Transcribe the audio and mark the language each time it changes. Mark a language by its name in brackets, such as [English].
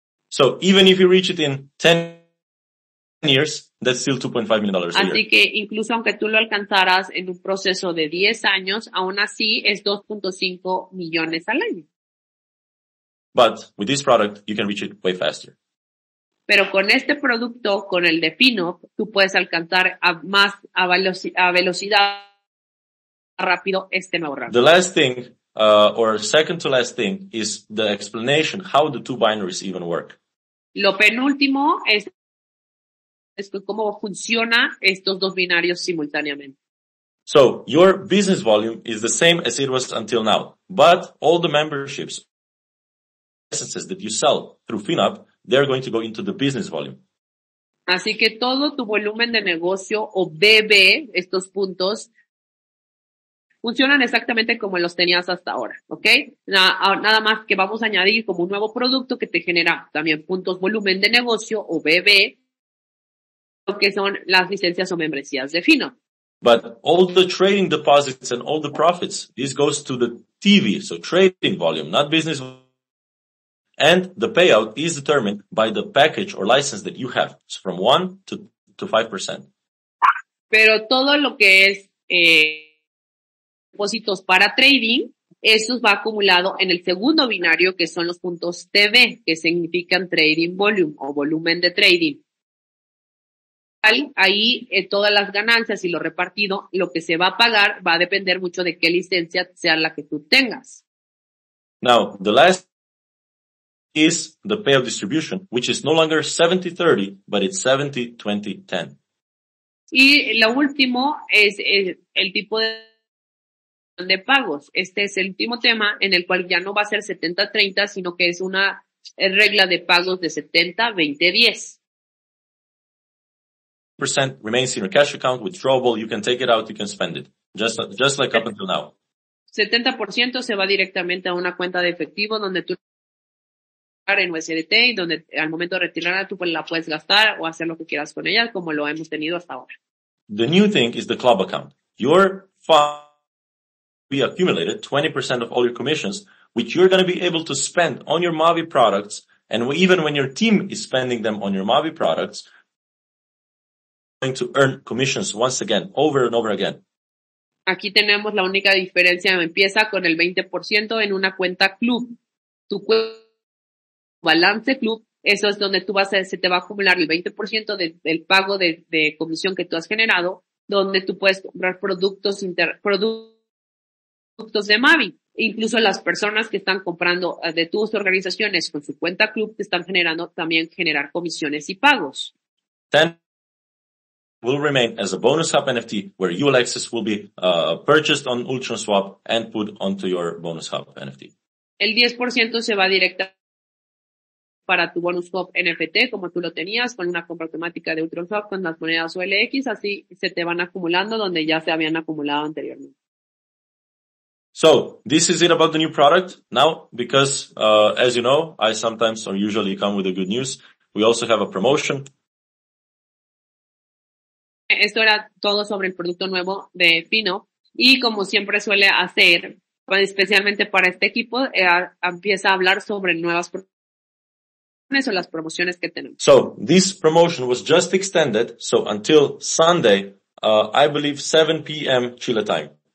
[English] So, even if you reach it in 10 years, that's still $2.5 million a year. [Spanish] Así que incluso aunque tú lo alcanzaras en un proceso de 10 años, aún así es 2.5 millones al año. [English] But with this product, you can reach it way faster. [Spanish] Pero con este producto, con el de FinOp, tú puedes alcanzar a velocidad rápido este nuevo rango. [English] The last thing, or second to last thing, is the explanation how the two binaries even work. [Spanish] Lo penúltimo es cómo funciona estos dos binarios simultáneamente. [English] So, your business volume is the same as it was until now, but all the memberships, licenses that you sell through FinOp, they're going to go into the business volume. [Spanish] Así que todo tu volumen de negocio o BB, estos puntos, funcionan exactamente como los tenías hasta ahora, ¿ok? Nada más que vamos a añadir como un nuevo producto que te genera también puntos volumen de negocio o BB, que son las licencias o membresías de FinOp. [English] But all the trading deposits and all the profits, this goes to the TV, so trading volume, not business volume. And the payout is determined by the package or license that you have. It's from 1% to 5%. [Spanish] Pero todo lo que es depósitos para trading, eso va acumulado en el segundo binario, que son los puntos TV, que significan [English] trading volume [Spanish] o volumen de trading. Ahí todas las ganancias y lo repartido, lo que se va a pagar va a depender mucho de qué licencia sea la que tú tengas. [English] Now, the last is the payout distribution, which is no longer 70-30, but it's 70-20-10. [Spanish] Y lo último es el tipo de pagos. Este es el último tema en el cual ya no va a ser 70-30, sino que es una regla de pagos de 70-20-10. [English] 10% remains in your cash account, withdrawable, you can take it out, you can spend it. Just like up until now. [Spanish] 70% se va directamente a una cuenta de efectivo donde tú en USDT y donde al momento de retirarla tú la puedes gastar o hacer lo que quieras con ella como lo hemos tenido hasta ahora. [English] The new thing is the club account. Your fund will be accumulated, 20% of all your commissions, which you're going to be able to spend on your Mavi products, and even when your team is spending them on your Mavi products, going to earn commissions once again, over and over again. [Spanish] Aquí tenemos la única diferencia. Empieza con el 20% en una cuenta club. Tu balance club, eso es donde tú vas a, se te va a acumular el 20% del pago de comisión que tú has generado, donde tú puedes comprar productos de Mavi. Incluso las personas que están comprando de tus organizaciones con su cuenta club te están generando también generar comisiones y pagos. [English] Then will remain as a bonus hub NFT where you, Alexis, will be purchased on Ultraswap and put onto your bonus hub NFT. [Spanish] El 10% se va directa para tu bonus hub NFT como tú lo tenías con una compra automática de Ultraswap con las monedas OLX. Así se te van acumulando donde ya se habían acumulado anteriormente. [English] So, this is it about the new product. Now, because, as you know, I sometimes or usually come with the good news. We also have a promotion. [Spanish] Esto era todo sobre el producto nuevo de Fino. Y como siempre suele hacer, especialmente para este equipo, empieza a hablar sobre nuevas promociones o las promociones que tenemos. [English] So, this promotion was just extended. So, until Sunday, I believe 7 p.m. Chile time.